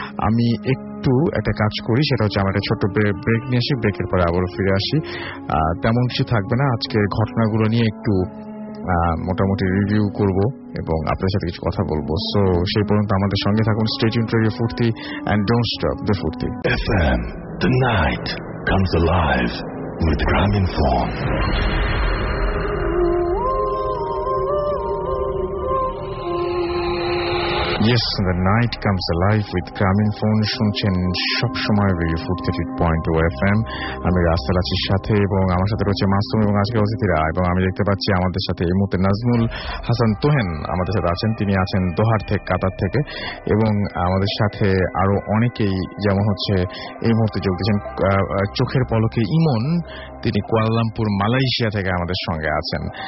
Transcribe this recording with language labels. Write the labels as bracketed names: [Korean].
[Bangla] আমি একটু একটা কাজ করি, সেটা হচ্ছে আমার একটা ছোট ব্রেক নিয়ে আসি, ব্রেকের পরে আবারও ফিরে আসি। তেমন কিছু থাকবে না, আজকের ঘটনাগুলো নিয়ে একটু মোটামুটি রিভিউ করব এবং আপনাদের সাথে কিছু কথা বলবো। সো সেই পর্যন্ত আমাদের সঙ্গে থাকুন, [English] Stay tune to radio Furti, and don't stop the Furti. FM, the night comes alive with Gramophone. Yes, the night comes alive with Gramophone. [Bangla] শুনছেন সব সময় রেডিও 43.2 FM. আমি রাসেল আছি সাথে এবং আমার সাথে রয়েছে মাসুম এবং আজকে অতিথিরা। এবং আমি দেখতে পাচ্ছি আমাদের সাথে এই মুহূর্তে নাজমুল হাসান তোহেন আমাদের সাথে আছেন, তিনি আছেন দোহার থেকে, কাতার থেকে। এবং আমাদের সাথে আরো অনেকেই যেমন হচ্ছে এই মুহূর্তে যোগ দিয়েছেন চোখের পলকে ইমন, তিনি কুয়ালালামপুর মালয়েশিয়া থেকে আমাদের সঙ্গে আছেন।